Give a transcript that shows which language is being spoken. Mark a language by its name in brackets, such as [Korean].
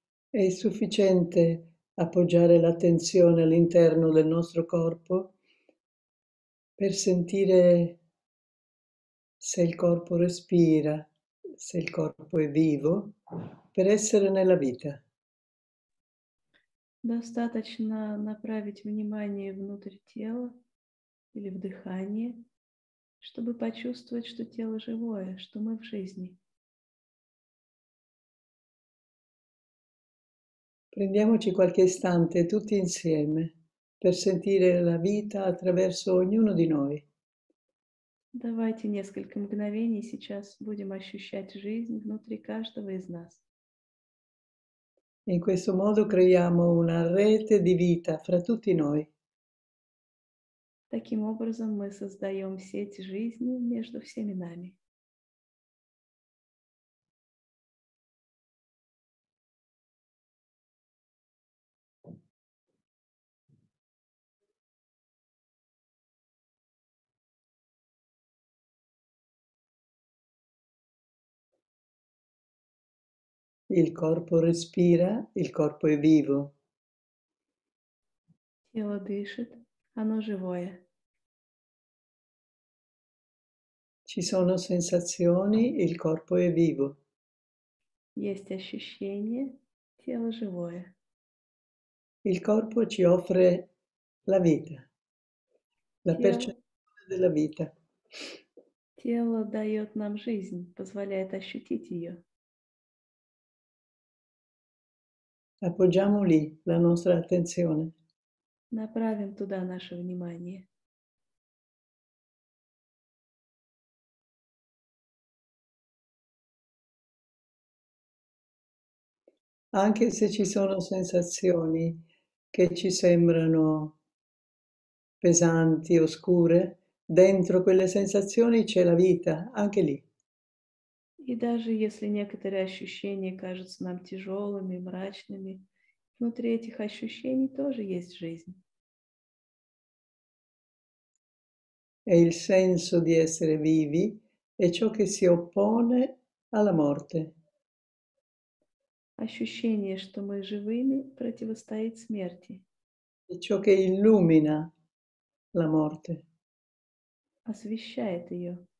[Italian] È sufficiente appoggiare l'attenzione all'interno del nostro corpo per sentire se il corpo respira, se il corpo è vivo, per essere nella vita. [Russian] Достаточно направить внимание внутрь тела или в дыхание, чтобы почувствовать, что тело живое, что мы в жизни. [Italian] Prendiamoci qualche istante tutti insieme per sentire la vita attraverso ognuno di noi. [Russian] Давайте несколько мгновений сейчас будем ощущать жизнь внутри каждого из нас. [Italian] In questo modo creiamo una rete di vita fra tutti noi. [Russian] Таким образом, мы создаем сеть жизни между всеми нами. [Italian] Il corpo respira, il corpo è vivo. [Russian] Тело дышит, оно живое. [Italian] Ci sono sensazioni, il corpo è vivo. [Russian] Есть ощущение, тело живое. [Italian] Il corpo ci offre la vita, la percezione della vita. [Russian] Тело дает нам жизнь, позволяет ощутить ее. [Italian] Appoggiamo lì la nostra attenzione. [Russian] Направим туда наше внимание. [Italian] Anche se ci sono sensazioni che ci sembrano pesanti, oscure, dentro quelle sensazioni c'è la vita, anche lì. [Russian] И даже если некоторые ощущения кажутся нам тяжелыми, мрачными, внутри этих ощущений тоже есть жизнь. [Italian] È il senso di essere vivi è ciò che si oppone alla morte. [Russian] Ощущение, что мы живыми, противостоит смерти. [Italian] È ciò che illumina la morte. [Russian] Освещает ее.